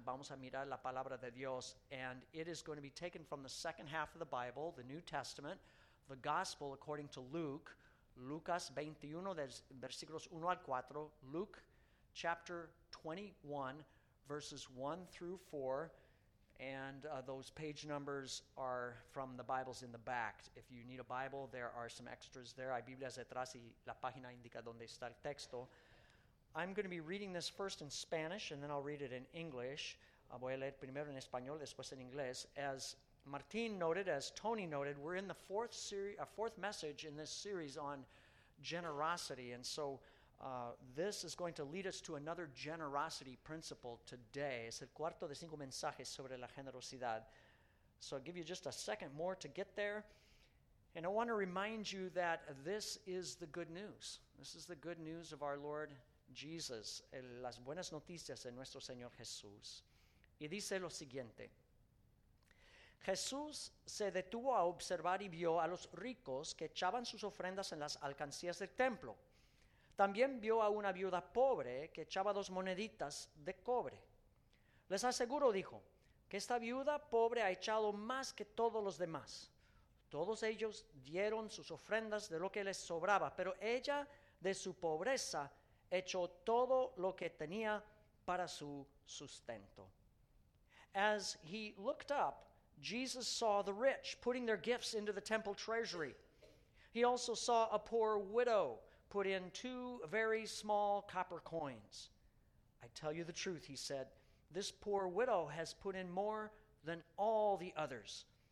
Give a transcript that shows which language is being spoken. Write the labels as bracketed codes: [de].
[es] Vamos a mirar la palabra de Dios, [en] and it is going to be taken from the second half of the Bible, the New Testament, the Gospel according to Luke, Lucas 21, [es] versículos 1 al 4, [en] Luke chapter 21, verses 1 through 4. And those page numbers are from the Bibles in the back. If you need a Bible, there are some extras there. [es] Hay Biblias detrás y la página indica donde está el texto. [en] I'm going to be reading this first in Spanish, and then I'll read it in English. [es] Voy a leer primero en español, después en inglés. [en] As Martin noted, as Tony noted, we're in the fourth message in this series on generosity. And so this is going to lead us to another generosity principle today. [es] Es el cuarto de cinco mensajes sobre la generosidad. [en] So I'll give you just a second more to get there. And I want to remind you that this is the good news. This is the good news of our Lord Jesus. [es] Las buenas noticias de nuestro Señor Jesús. Y dice lo siguiente. Jesús se detuvo a observar y vio a los ricos que echaban sus ofrendas en las alcancías del templo. También vio a una viuda pobre que echaba dos moneditas de cobre. Les aseguro, dijo, que esta viuda pobre ha echado más que todos los demás. Todos ellos dieron sus ofrendas de lo que les sobraba, pero ella, de su pobreza, echó todo lo que tenía para su sustento. [en] As he looked up, Jesus saw the rich putting their gifts into the temple treasury. He also saw a poor widow put in two very small copper coins. I tell you the truth, he said, this poor widow has put in more than all the others.